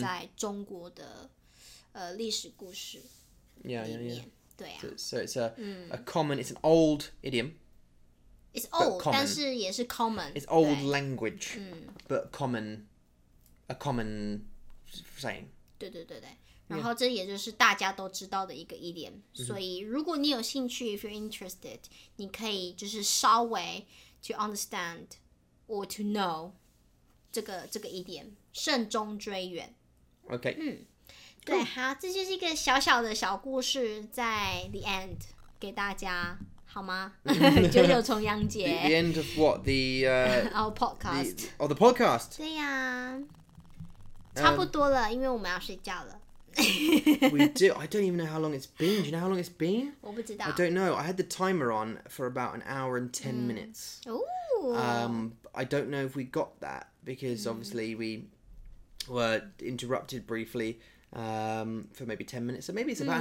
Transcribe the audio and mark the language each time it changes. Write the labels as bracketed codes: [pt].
[zh] 在中国的、历史故事里面。 [en] Yeah. [zh] 对啊、 [en] so it's a,、mm. a common, it's an old idiom. It's old, [zh] 但是也是 [en] common. It's old language,、 mm. but common, a common saying. [zh] 对对对对、yeah. 然后这也就是大家都知道的一个 idiom.、 Mm-hmm. 所以如果你有兴趣 [en] if you're interested, [zh] 你可以就是稍微 [en] to understand or to know [zh] 这个 idiom, 慎终追远。 [en] Okay.、 [zh] Mm. 对，好，这就是一个小小的小故事，在 [en] the end [zh] 给大家，好吗？九九重阳节 [en] the end of what the our podcast the podcast [zh] 对呀、啊，差不多了，因为我们要睡觉了。 [en] We do. I don't even know how long it's been. Do you know how long it's been? [zh] 我不知道。 [en] I don't know. I had the timer on for about an hour and ten minutes. Ooh. I don't know if we got that because obviously we were interrupted briefly. For maybe 10 minutes, so maybe it's about、mm.